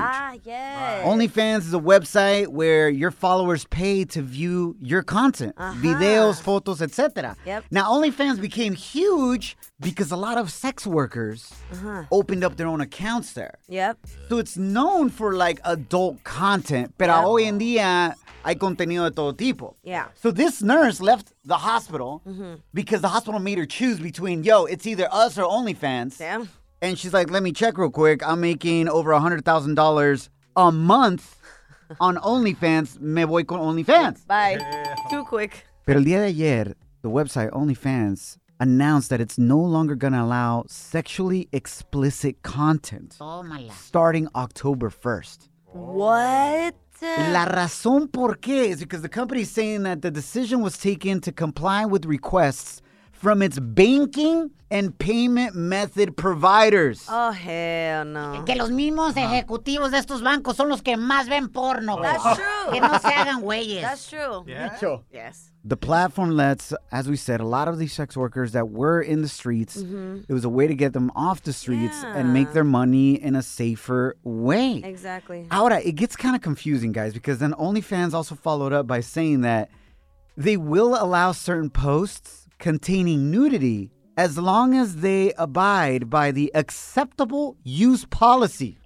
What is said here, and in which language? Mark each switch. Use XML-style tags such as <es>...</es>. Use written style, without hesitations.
<en>Ah, yes. Wow. OnlyFans is a website where your followers pay to view your content. Uh-huh. Videos, photos, etc. Yep. Now, OnlyFans became huge because a lot of sex workers opened up their own accounts there. Yep. So it's known for, like, adult content.</en> <es>Pero hoy en día hay contenido de todo tipo.</es> <en>Yeah. So this nurse left the hospital because the hospital made her choose between, yo, it's either us or OnlyFans. Damn. And she's like, let me check real quick. I'm making over $100,000 a month on OnlyFans.</en> <es>Me voy con OnlyFans.</es> <en>Bye. Yeah. Too quick.</en> <es>Pero el día de ayer,</es> <en>the website OnlyFans announced that it's no longer going to allow sexually explicit content starting October 1st. What?</en> <es>La razón por qué</es> <en>is because the company is saying that the decision was taken to comply with requests from its banking and payment method providers. Oh, hell no.</en> <es>Que los mismos ejecutivos de estos bancos son los que más ven porno.</es> <en>That's true.</en> <es>Que no se hagan güeyes.</es> <en>That's true. Yeah. Yes. The platform lets, as we said, a lot of these sex workers that were in the streets, mm-hmm. it was a way to get them off the streets yeah. and make their money in a safer way. Exactly. Ahora, it gets kind of confusing, guys, because then OnlyFans also followed up by saying that they will allow certain posts containing nudity as long as they abide by the acceptable use policy.</en>